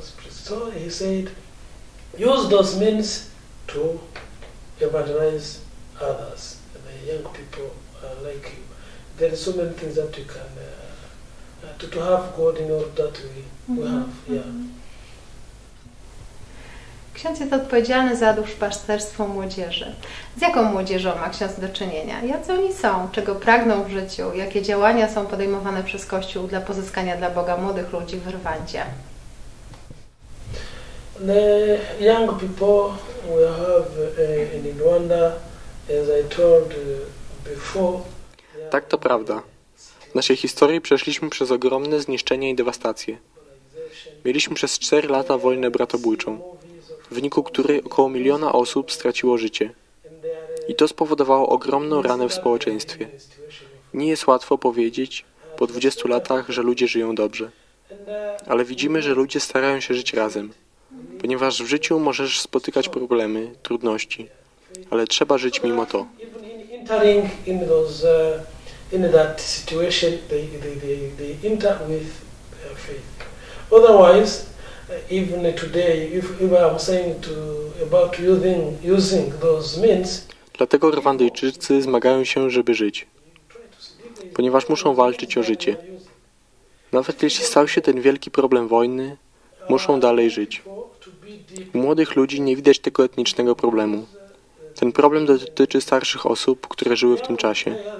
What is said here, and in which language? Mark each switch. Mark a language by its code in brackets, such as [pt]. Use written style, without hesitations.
[en] So he said, use those means to evangelize others, the young people like you. There are so many things that you can, to have God in all that we have, yeah. [pl] Ksiądz jest odpowiedzialny za duszpasterstwo młodzieży. Z jaką młodzieżą ma ksiądz do czynienia? Jacy oni są? Czego pragną w życiu? Jakie działania są podejmowane przez Kościół dla pozyskania dla Boga młodych ludzi w Rwandzie? [en] The young people we have in Rwanda, as I told before. [pl] Tak, to prawda. W naszej historii przeszliśmy przez ogromne zniszczenie i dewastację. Mieliśmy przez 4 lata wojnę bratobójczą, w wyniku której około 1 000 000 osób straciło życie. I to spowodowało ogromną ranę w społeczeństwie. Nie jest łatwo powiedzieć po 20 latach, że ludzie żyją dobrze. Ale widzimy, że ludzie starają się żyć razem. Ponieważ w życiu możesz spotykać problemy, trudności, ale trzeba żyć mimo to. [en] Entering in those in that situation, they enter with their faith. Otherwise, even today, if I am saying to about using those means. [pl] Dlatego Rwandyjczycy zmagają się, żeby żyć, ponieważ muszą walczyć o życie. Nawet jeśli stał się ten wielki problem wojny, muszą dalej żyć. U młodych ludzi nie widać tego etnicznego problemu. Ten problem dotyczy starszych osób, które żyły w tym czasie.